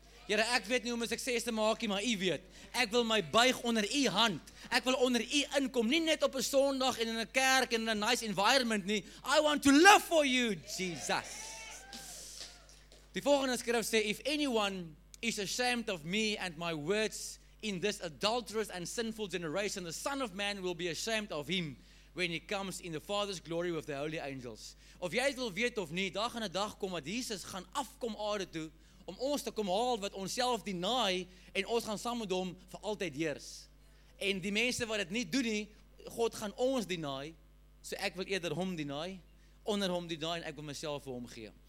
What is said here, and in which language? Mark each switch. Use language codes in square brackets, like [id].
[af] Here, ek weet nie hoe om 'n sukses te maak nie, maar U weet. Ek wil my buig onder U hand. Ek wil onder U inkom, nie net op 'n Sondag en in 'n kerk en in 'n [en] nice environment [af] nie. [en] I want to live for you, Jesus. [af] Die volgende skrif sê, [en] if anyone is ashamed of me and my words in this adulterous and sinful generation, the Son of Man will be ashamed of him when he comes in the Father's glory with the holy angels. [af] Of jy wil weet of nie, daar gaan 'n dag kom wat Jesus gaan afkom aarde toe om ons te kom haal wat ons self deny en ons gaan saam met hom vir altyd heers. En die mense wat dit nie doen nie, God gaan ons deny, so ek wil eerder hom deny, onder hom deny en ek wil myself vir hom gee.